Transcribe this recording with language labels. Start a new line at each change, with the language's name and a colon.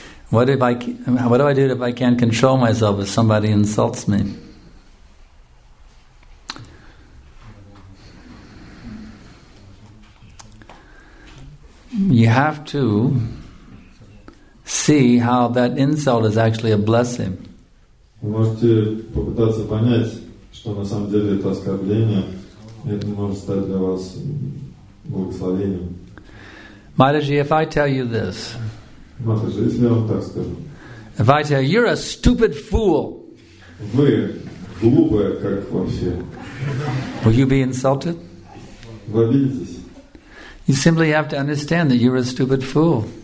English: What do I do if I can't control myself if somebody insults me? You have to see how that insult is actually a blessing.
Russian: Вы можете попытаться понять, что на самом деле это оскорбление, это может стать для вас благословением.
English: Mataji, if I tell you this, if I tell you, you're a stupid fool, will you be insulted? You simply have to understand that you're a stupid fool.